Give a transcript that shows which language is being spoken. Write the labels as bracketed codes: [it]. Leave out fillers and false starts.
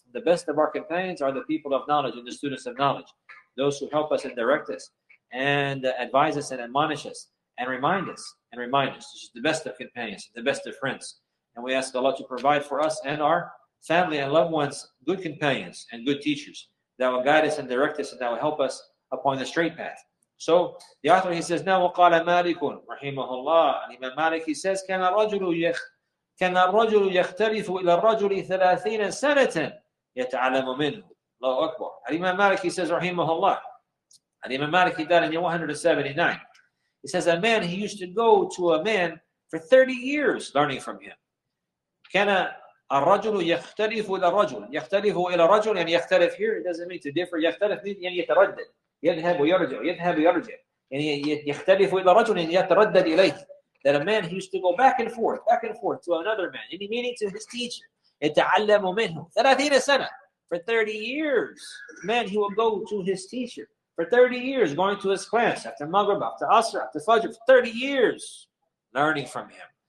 [en] The best of our companions are the people of knowledge and the students of knowledge, those who help us and direct us and advise us and admonish us and remind us. This is the best of companions, the best of friends. And we ask Allah to provide for us and our family and loved ones good companions and good teachers that will guide us and direct us and that will help us upon the straight path. So the author, he says, now [ar] وقال مالك رحمه الله, [en] and Imam Malik, he says, [ar] كان الرجل يختلف إلى الرجل 30 سنة يتعلم منه. الله أكبر. [en] And Imam Malik, he says, [ar] رحمه الله, [en] and Imam Malik, he died in 179. He says, a man, he used to go to a man for 30 years learning from him. [ar] كان الرجل يختلف إلى الرجل. يختلف إلى رجل, يعني يختلف [en] here, it doesn't mean to differ. [ar] يختلف [en] means, [ar] يعني يتردد. يذهب ويرجع. يعني يختلف إلى رجل, يعني يتردد إليه. [en] That a man, he used to go back and forth to another man. Any meaning to his teacher. [ar] يتعلم منه 30 سنة. [en] For 30 years, man, he will go to his teacher. For 30 years, going to his class, after Maghrib, after Asr, after Fajr, for 30 years, learning from him.